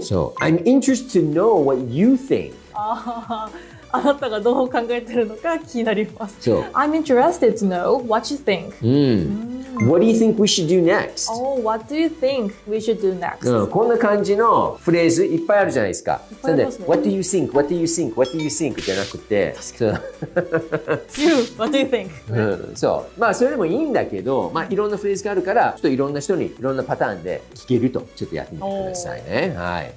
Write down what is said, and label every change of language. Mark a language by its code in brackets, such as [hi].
[en] So, I'm interested to know what you think. [ja] あなたがどう考えてるのか気になります。 [en] So, I'm interested to know what you think.、 What do you think we should do next? Oh, what do you think we should do next?、 [ja] こんな感じのフレーズいっぱいあるじゃないですか。いっぱいありますね。 [en] What do you think? What do you think? What do you think? [ja] じゃなくて。確かに。 [en] You, what do you think? [ja] そう。まあ、それでもいいんだけど、まあ、いろんなフレーズがあるから、ちょっといろんな人にいろんなパターンで聞けると、ちょっとやってみてくださいね。はい。